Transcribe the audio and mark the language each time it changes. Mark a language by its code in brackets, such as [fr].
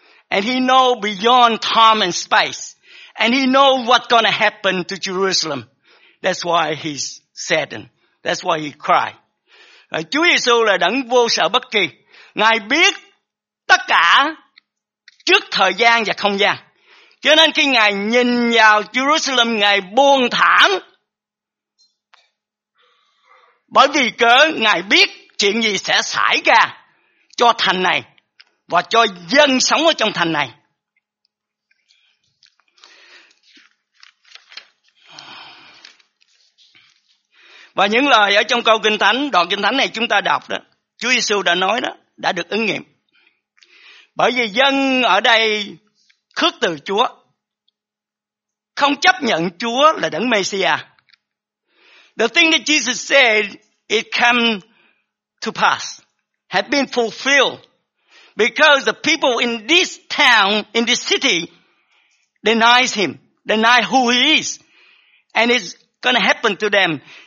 [en] And he know beyond time and space. And he know what's gonna happen to Jerusalem. That's why he's saddened. That's why he cried. [vi] Chúa Giêsu là đấng vô sợ bất kỳ. Ngài biết tất cả trước thời gian và không gian. Cho nên khi Ngài nhìn vào Jerusalem, Ngài buồn thảm. Bởi vì cớ Ngài biết chuyện gì sẽ xảy ra cho thành này và cho dân sống ở trong thành này. Và những lời ở trong câu Kinh Thánh, đoạn Kinh Thánh này chúng ta đọc đó, Chúa Giêsu đã nói đó, đã được ứng nghiệm. Bởi vì dân ở đây khước từ Chúa, không chấp nhận Chúa là đấng Messiah. [en] The thing that Jesus said, it came to pass, have been fulfilled, because the people in this town, in this city, denies him, deny who he is, and it's going to happen to them.